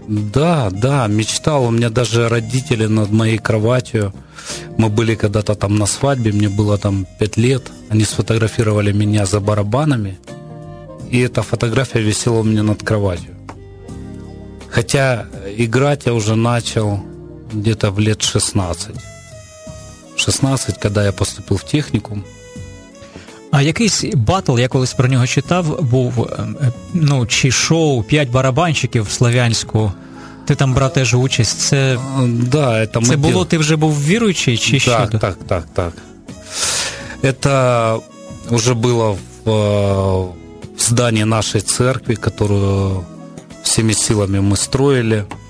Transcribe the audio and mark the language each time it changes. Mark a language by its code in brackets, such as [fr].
[ru] Да, да, мечтал, у меня даже родители над моей кроватью, мы были когда-то там на свадьбе, мне было там 5 лет, они сфотографировали меня за барабанами, и эта фотография висела у меня над кроватью. Хотя играть я уже начал где-то в лет 16, когда я поступил в техникум. [uk] А якийсь батл, я колись про нього читав, був, ну, чи шоу «5 барабанщиків» в Слов'янську. Ти там братеш участь. Це, [ru] да, это [uk] це було, ти вже був віруючий чи так, що? Так. [ru] Это уже було в здании нашей церкви, которую всеми силами мы строили.